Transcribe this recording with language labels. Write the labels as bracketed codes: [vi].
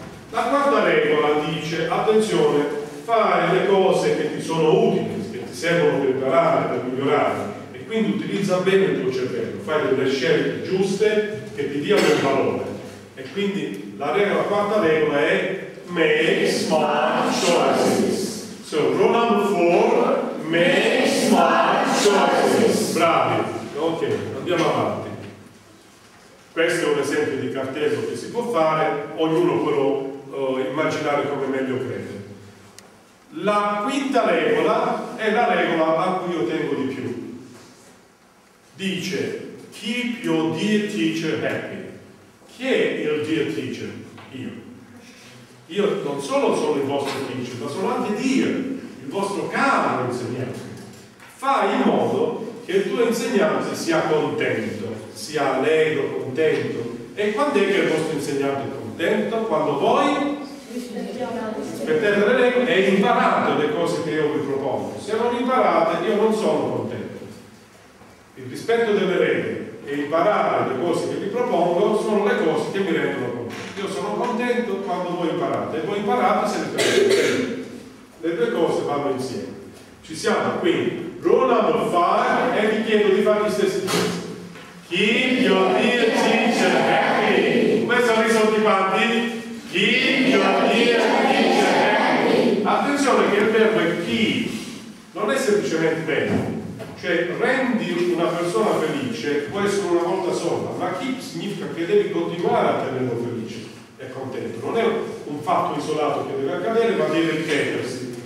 [it] La quarta regola dice, attenzione, fare le cose che ti sono utili, che ti servono per imparare, per migliorare. Quindi utilizza bene il tuo cervello, fai delle scelte giuste che ti diano il valore. E quindi la regola, la quarta regola è [en] make smart choices. So, rule number four, make smart choices. [it] Bravi, ok, andiamo avanti. Questo è un esempio di cartello che si può fare, ognuno può immaginare come meglio crede. La quinta regola è la regola a cui io tengo di più. Dice, [en] keep your dear teacher happy. [it] Chi è il [en] dear teacher? [it] Io. Io non solo sono il vostro teacher, ma sono anche dear, il vostro caro insegnante. Fai in modo che il tuo insegnante sia contento, sia allegro, contento. E quando è che il vostro insegnante è contento? Quando voi rispettate le regole e imparate le cose che io vi propongo. Se non imparate, io non sono contento. Il rispetto delle regole e imparare le cose che vi propongo sono le cose che mi rendono contento. Io sono contento quando voi imparate, e voi imparate se le prendete. Le due cose vanno insieme. Ci siamo, quindi, [en] rule number five, [it] e vi chiedo di fare gli stessi gesti. [en] Keep your dear teacher happy. [it] Come sono risolti i fatti? [en] Keep your dear teacher happy. [it] Attenzione che il verbo è keep, non è semplicemente bene. Cioè, rendi una persona felice può essere una volta sola, ma keep significa che devi continuare a tenerlo felice e contento. Non è un fatto isolato che deve accadere, ma deve ripetersi.